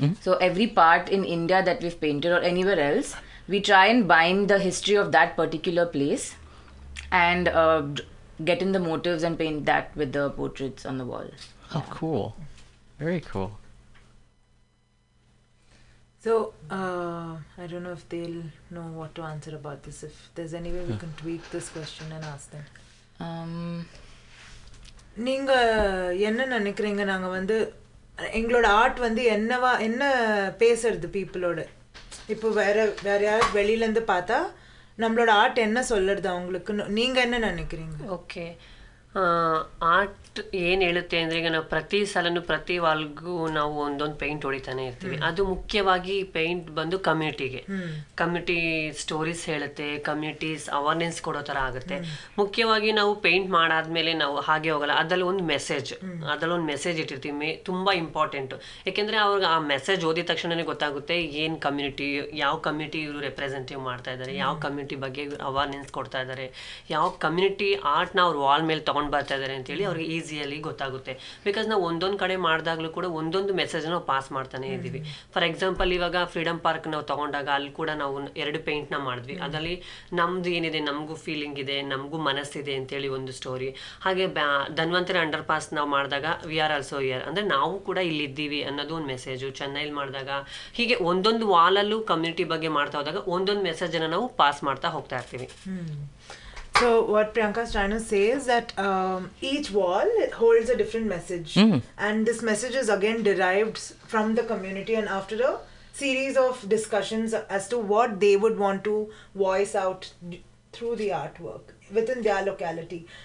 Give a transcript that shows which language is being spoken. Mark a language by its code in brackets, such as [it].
[en] So every part in India that we've painted or anywhere else, we try and bind the history of that particular place and get in the motives and paint that with the portraits on the wall. Oh, yeah. Cool. Very cool. So I don't know if they'll know what to answer about this. If there's any way we can tweak this question and ask them. [ta] நீங்க என்ன நினைக்கிறீங்க நாங்க வந்து எங்களோட art வந்து என்னவா என்ன பேசுறது பீப்புளோட இப்போ வேற யாராவது வெளியிலேருந்து பார்த்தா நம்மளோட ஆர்ட் என்ன சொல்லுறது அவங்களுக்கு நீங்கள் என்ன நினைக்கிறீங்க? [kn] ஓகே, ಆರ್ಟ್ ಏನು ಹೇಳುತ್ತೆ ಅಂದರೆ ಈಗ ನಾವು ಪ್ರತಿ ಸಲನೂ ಪ್ರತಿ ವಾಲ್ಗೂ ನಾವು ಒಂದೊಂದು ಪೇಂಟ್ ಹೊಡಿತಾನೆ ಇರ್ತೀವಿ. ಅದು ಮುಖ್ಯವಾಗಿ ಪೇಂಟ್ ಬಂದು ಕಮ್ಯುನಿಟಿಗೆ, ಕಮ್ಯುನಿಟಿ ಸ್ಟೋರೀಸ್ ಹೇಳುತ್ತೆ, ಕಮ್ಯುನಿಟೀಸ್ ಅವರ್ನೆಸ್ ಕೊಡೋ ಥರ ಆಗುತ್ತೆ. ಮುಖ್ಯವಾಗಿ ನಾವು ಪೇಂಟ್ ಮಾಡಾದ್ಮೇಲೆ ನಾವು ಹಾಗೆ ಹೋಗಲ್ಲ, ಅದರಲ್ಲಿ ಒಂದು ಮೆಸೇಜ್ ಇಟ್ಟಿರ್ತೀವಿ. ತುಂಬ ಇಂಪಾರ್ಟೆಂಟು, ಯಾಕೆಂದರೆ ಅವ್ರಿಗೆ ಆ ಮೆಸೇಜ್ ಓದಿದ ತಕ್ಷಣವೇ ಗೊತ್ತಾಗುತ್ತೆ ಏನು ಕಮ್ಯುನಿಟಿ, ಯಾವ ಕಮ್ಯುನಿಟಿ ಇವರು ರೆಪ್ರೆಸೆಂಟೇಟಿವ್ ಮಾಡ್ತಾ ಇದ್ದಾರೆ, ಯಾವ ಕಮ್ಯುನಿಟಿ ಬಗ್ಗೆ ಅವರ್ನೆಸ್ ಕೊಡ್ತಾ ಇದ್ದಾರೆ, ಯಾವ ಕಮ್ಯುನಿಟಿ ಆರ್ಟ್ನ ಅವ್ರ ವಾಲ್ ಮೇಲೆ ತೊಗೊಂಡು ಬರ್ತಾ ಇದ್ದಾರೆ ಅಂತೇಳಿ ಅವ್ರಿಗೆ ಈಸಿಯಲ್ಲಿ ಗೊತ್ತಾಗುತ್ತೆ. ಬಿಕಾಸ್ ನಾವು ಒಂದೊಂದು ಕಡೆ ಮಾಡಿದಾಗಲೂ ಕೂಡ ಒಂದೊಂದು ಮೆಸೇಜನ್ನು ನಾವು ಪಾಸ್ ಮಾಡ್ತಾನೆ ಇದ್ದೀವಿ. ಫಾರ್ ಎಕ್ಸಾಂಪಲ್, ಇವಾಗ ಫ್ರೀಡಮ್ ಪಾರ್ಕ್ ನಾವು ತೊಗೊಂಡಾಗ ಅಲ್ಲಿ ಕೂಡ ನಾವು ಎರಡು ಪೇಂಟ್ನ ಮಾಡಿದ್ವಿ. ಅದರಲ್ಲಿ ನಮ್ಮದು ಏನಿದೆ, ನಮಗೂ ಫೀಲಿಂಗ್ ಇದೆ, ನಮಗೂ ಮನಸ್ಸಿದೆ ಅಂತೇಳಿ ಒಂದು ಸ್ಟೋರಿ. ಹಾಗೆ ಧನ್ವಂತರಿ ಅಂಡರ್ ಪಾಸ್ ನಾವು ಮಾಡಿದಾಗ [en] we are also here, [kn] ಅಂದರೆ ನಾವು ಕೂಡ ಇಲ್ಲಿದ್ದೀವಿ ಅನ್ನೋದು ಒಂದು ಮೆಸೇಜು. ಚೆನ್ನೈಲಿ ಮಾಡಿದಾಗ ಹೀಗೆ ಒಂದೊಂದು ವಾಲಲ್ಲೂ ಕಮ್ಯುನಿಟಿ ಬಗ್ಗೆ ಮಾಡ್ತಾ ಹೋದಾಗ ಒಂದೊಂದು ಮೆಸೇಜನ್ನು ನಾವು ಪಾಸ್ ಮಾಡ್ತಾ ಹೋಗ್ತಾ ಇರ್ತೀವಿ. [en] So what Priyanka is trying to say is that each wall holds a different message. And this message is again derived from the community and after a series of discussions as to what they would want to voice out through the artwork within their locality.